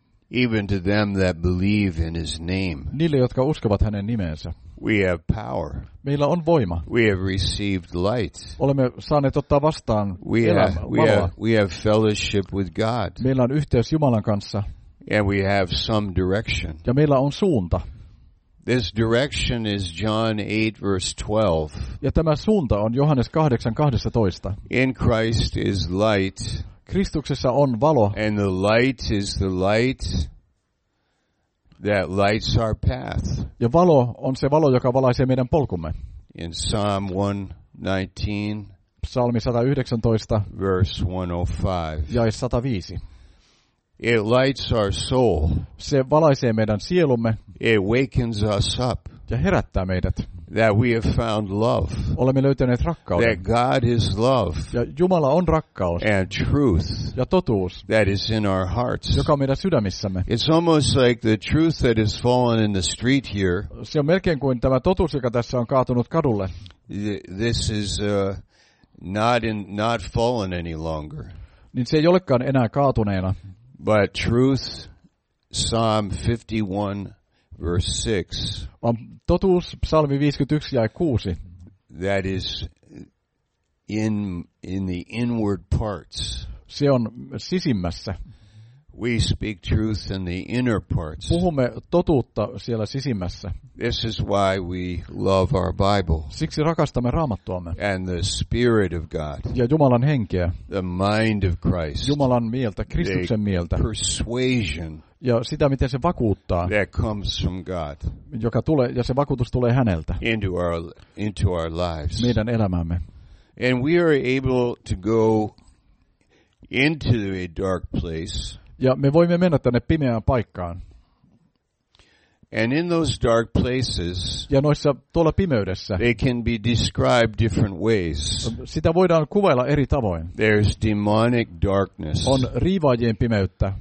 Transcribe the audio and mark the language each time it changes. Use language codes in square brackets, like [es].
[en] Even to them that believe in his name. [fi] Niille, jotka uskovat hänen nimeensä. [en] We have power. [fi] Meillä on voima. [en] We have received light. [fi] Olemme saaneet ottaa vastaan elämää, valoa. [en] We have fellowship with God. [fi] Meillä on yhteys Jumalan kanssa. [en] And we have some direction. [fi] Ja meillä on suunta. [en] This direction is John 8 verse 12. [fi] Ja tämä suunta on Johannes 8:12. [en] In Christ is light. [fi] Kristuksessa on valo. [en] And the light is the light that lights our path. [fi] Ja valo on se valo, joka valaisee meidän polkumme. [en] In Psalm 119. [fi] Psalmi 119. [en] Verse 105. [fi] Jae 105. [en] It lights our soul. [fi] Se valaisee meidän sielumme. [en] It wakens us up. [fi] Ja herättää meidät. [en] That we have found love. [fi] Olemme löytäneet rakkauden. [en] That God is love. [fi] Ja Jumala on rakkaus. [en] And truth. [fi] Ja totuus. [en] That is in our hearts. [fi] Joka on meidän sydämissämme. [en] It's almost like the truth that has fallen in the street here. [fi] Se on melkein kuin tämä totuus, joka tässä on kaatunut kadulle. [en] This is not fallen any longer. [fi] Niin se ei olekaan enää kaatuneena. [en] But truth, Psalm 51, verse 6. [fi] Totuus, psalmi 51 jae 6. [en] That is in the inward parts. [fi] Se on sisimmässä. [en] We speak truth in the inner parts. [fi] Puhumme totuutta siellä sisimmässä. [en] This is why we love our Bible. [fi] Siksi rakastamme Raamattuamme. [en] And the Spirit of God. [fi] Ja Jumalan henkeä. [en] The mind of Christ. [fi] Jumalan mieltä, Kristuksen mieltä. [en] Persuasion. [fi] Ja sitä, miten se vakuuttaa. [en] That comes from God. [fi] Joka tulee, ja se vakuutus tulee häneltä. [en] Into our lives. [fi] Meidän elämäämme. [en] And we are able to go into a dark place. [fi] Ja me voimme mennä tänne pimeään paikkaan. [en] And in those dark places, [fi] ja noissa tuolla pimeydessä, [en] they can be described different ways. [fi] Sitä voidaan kuvailla eri tavoin. [en] There is demonic darkness. [fi] On riivaajien pimeyttä.